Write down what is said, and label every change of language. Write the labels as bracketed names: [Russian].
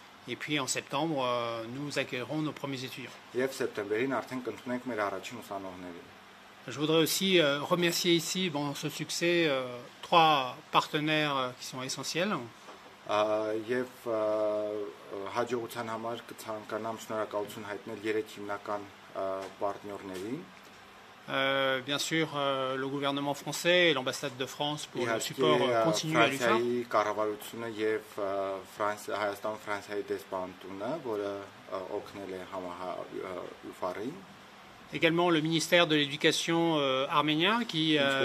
[French] Et puis en septembre, nous accueillerons nos premiers étudiants. Je voudrais aussi remercier ici, bon, ce succès, trois partenaires qui sont essentiels. [Armenian] Եվ հաջողության համար կցանկանամ շնորհակալություն հայտնել երեք հիմնական պարտներին։ [French] Bien sûr, le gouvernement français et l'ambassade de France pour le support continu à l'UFA. [Armenian] Կառավարությունը եւ Հայաստան-Ֆրանսիայի դեսպանատունը, որը օգնել է համահայուֆարին։ [French] Également le ministère de l'éducation arménien qui